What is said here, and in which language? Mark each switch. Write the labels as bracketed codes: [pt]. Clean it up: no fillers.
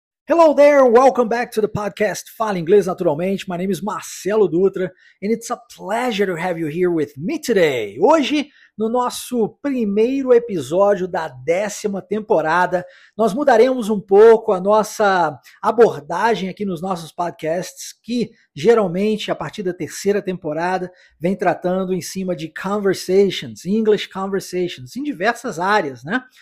[en] Hello there, welcome back to the podcast Fala Inglês Naturalmente. My name is Marcelo Dutra and it's a pleasure to have you here with me today. [pt] Hoje, no nosso primeiro episódio da 10ª temporada, nós mudaremos um pouco a nossa abordagem aqui nos nossos podcasts, que geralmente, a partir da 3ª temporada, vem tratando em cima de [en] conversations, English conversations, [pt] em diversas áreas, né?